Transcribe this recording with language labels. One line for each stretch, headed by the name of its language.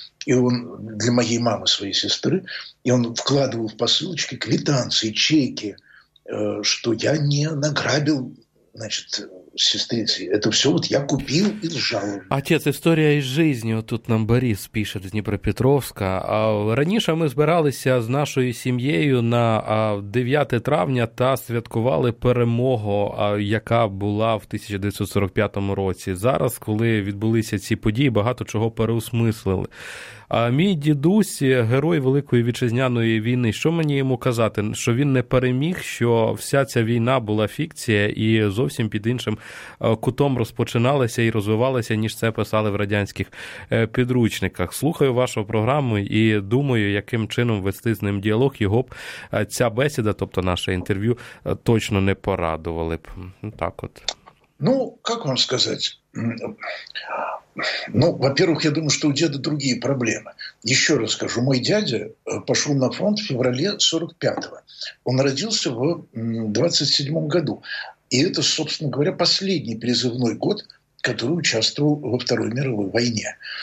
Russian: И он для моей мамы, своей сестры, и он вкладывал в посылочки квитанции, чеки, что я не награбил, значит, сестрицы. Это все вот я купил и сжал. Отец, история из жизни. Вот тут нам Борис пишет из Днепропетровска.
Ukrainian: Раніше ми збиралися з нашою сім'єю на 9 травня та святкували перемогу, яка була в 1945 році. Зараз, коли відбулися ці події, багато чого переосмислили. А мій дідусь – герой Великої Вітчизняної війни. Що мені йому казати? Що він не переміг, що вся ця війна була фікція і зовсім під іншим кутом розпочиналася і розвивалася, ніж це писали в радянських підручниках. Слухаю вашу програму і думаю, яким чином вести з ним діалог. Його б ця бесіда, тобто наше інтерв'ю, точно не порадували б. Так от. Ну, як вам сказати?
Russian: Ну, во-первых, я думаю, что у деда другие проблемы. Еще раз скажу, мой дядя пошел на фронт в феврале 45-го. Он родился в 27-м году. И это, собственно говоря, последний призывной год, который участвовал во Второй мировой войне.